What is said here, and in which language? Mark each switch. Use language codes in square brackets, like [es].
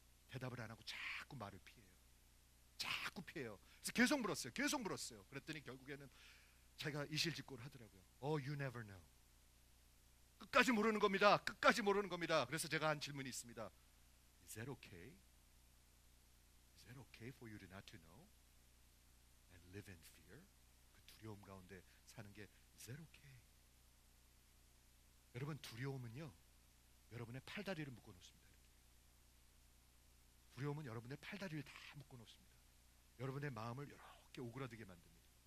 [ko] 대답을 안 하고 자꾸 말을 피해요. 자꾸 피해요. 그래서 계속 물었어요. 그랬더니 결국에는 자기가 이실직고를 하더라고요. [en] Oh, you never know. [ko] 끝까지 모르는 겁니다. 그래서 제가 한 질문이 있습니다. [en] Is that okay? Is that okay for you to not to know? And live in fear? [ko] 그 두려움 가운데 사는 게 [en] Is that okay? [ko] 여러분, 두려움은요, 여러분의 팔다리를 묶어놓습니다. 두려움은 여러분의 팔다리를 다 묶어놓습니다. 여러분의 마음을 이렇게 오그라들게 만듭니다.